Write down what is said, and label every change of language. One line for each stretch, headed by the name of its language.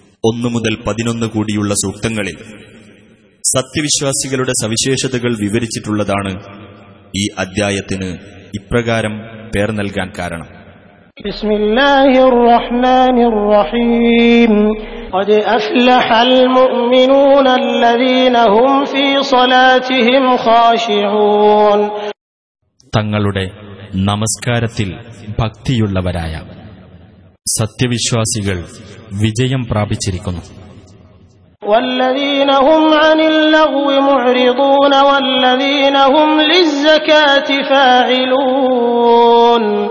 Malayalam: 1 മുതൽ 11 കൂടിയുള്ള സൂക്തങ്ങളിൽ സത്യവിശ്വാസികളുടെ സവിശേഷതകൾ വിവരിച്ചിട്ടുള്ളതാണ് ഈ അധ്യായത്തിന് ഇപ്രകാരം പേർ നൽകാൻ കാരണം.
Arabic: ബിസ്മില്ലാഹിർ റഹ്മാനിർ റഹീം. قد أفلح المؤمنون الذين هم في صلاتهم خاشعون.
Malayalam: തങ്ങളുടെ നമസ്കാരത്തിൽ ഭക്തിയുള്ളവരായ സത്യവിശ്വാസികൾ വിജയം പ്രാപിച്ചിരിക്കുന്നു.
Arabic: والذين هم عن اللغو معرضون والذين هم للزكاة فاعلون.